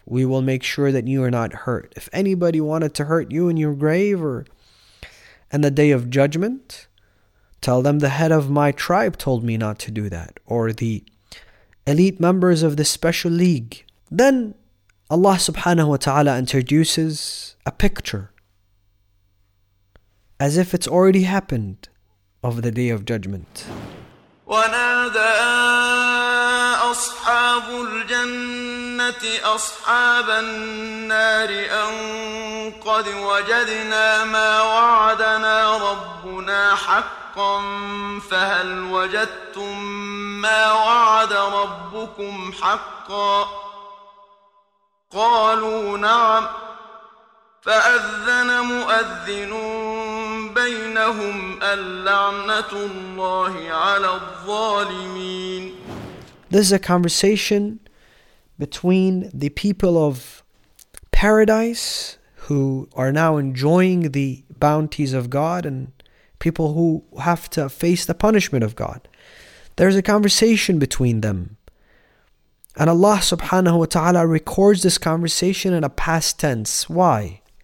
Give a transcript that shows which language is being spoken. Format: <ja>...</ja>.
<en>We will make sure that you are not hurt. If anybody wanted to hurt you in your grave or in the day of judgment, tell them the head of my tribe told me not to do that, or the elite members of the special league. Then Allah subhanahu wa ta'ala introduces a picture, as if it's already happened, of the Day of Judgment.</en> <ar>وَنَادَى أَصْحَابُ الْجَنَّةِ أَصْحَابَ النَّارِ أَنْ قَدْ وَجَدْنَا مَا وَعَدَنَا رَبُّنَا حَقًّا فَهَلْ وَجَدْتُمْ مَا وَعَدَ رَبُّكُمْ حَقًّا قالوا نعم فأذن مؤذن بينهم اللعنة الله على الظالمين.</ar> <en>This is a conversation between the people of paradise who are now enjoying the bounties of God and people who have to face the punishment of God. There's a conversation between them. And Allah subhanahu wa ta'ala records this conversation in a past tense. Why?</en>